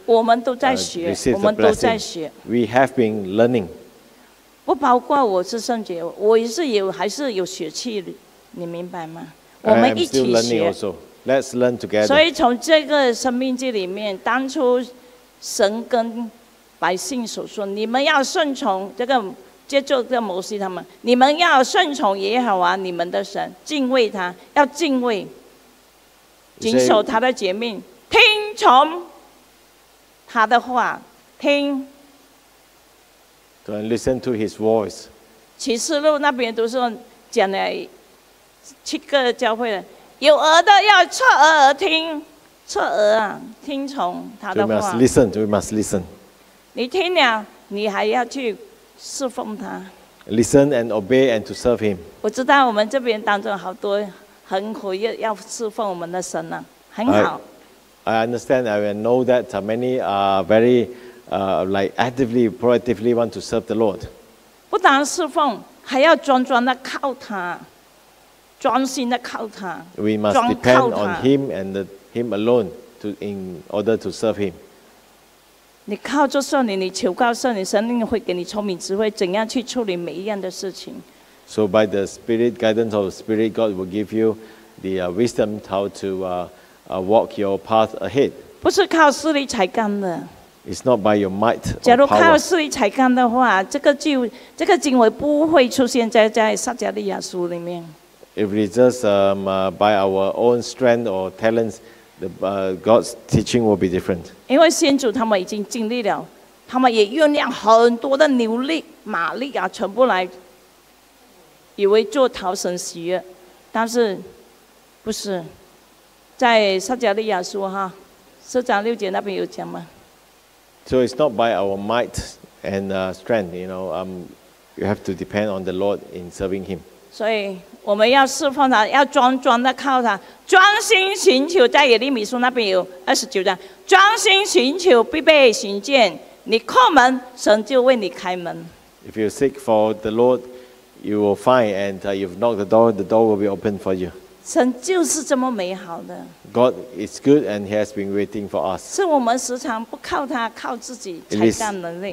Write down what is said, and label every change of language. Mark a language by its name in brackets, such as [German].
[Chinese] 我们都在学，我们都在学。 [English] We have been learning. [Chinese] 不包括我是圣洁，我也是有还是有血气，你明白吗？我们一起学。 [English] Also. Let's learn together. [Chinese] 所以从这个生命记里面，当初神跟百姓所说，你们要顺从这个，接着这摩西他们，你们要顺从耶和华你们的神，敬畏他，要敬畏，谨守他的诫命，听从他的话，听。 [English] Don't listen to his voice. [Chinese] 启示录那边都是讲了七个教会的，有耳的要侧耳而听，侧耳啊，听从他的话。 [English] We must listen. We must listen. [Chinese] 你听了，你还要去侍奉他。 [English] Listen and obey and to serve him. [Chinese] 我知道我们这边当中好多很苦，要侍奉我们的神呢、啊，很好。 [English] I understand. I know that many are very, like actively, proactively want to serve the Lord. [Chinese] 不但侍奉，还要专专的靠他，专心的靠他。 [English] We must depend on him and him alone to in order to serve him. [Chinese] 你靠着圣灵，你求告圣灵，圣灵会给你聪明智慧，怎样去处理每一样的事情。 [English] So by the Spirit guidance of the Spirit, God will give you the wisdom how to walk your path ahead. [Chinese] 不是靠势力才干的。 [English] It's not by your might. [Chinese] 假如靠势力才干的话，这个经文不会出现在撒迦利亚书里面。 [English] If it's just by our own strength or talents. God's teaching will be different. [Chinese] 因为先祖他们已经经历了，他们也酝酿很多的牛力、马力啊，全部来，以为做讨神喜悦，但是不是在撒迦利亚书哈，四章六节那边有讲吗 [English] ？So it's not by our might and strength, you know. You have to depend on the Lord in serving Him. [Chinese] 所以。我们要侍奉他，要专专的靠他，专心寻求。在耶利米书那边有二十九章，专心寻求必被寻见。你叩门，神就为你开门。 [English] If you seek for the Lord, you will find, and you've knocked the door will be opened for you. [Chinese] 神就是这么美好的。 [English] God is good, and He has been waiting for us. [Chinese] 是我们时常不靠他，靠自己才干能力。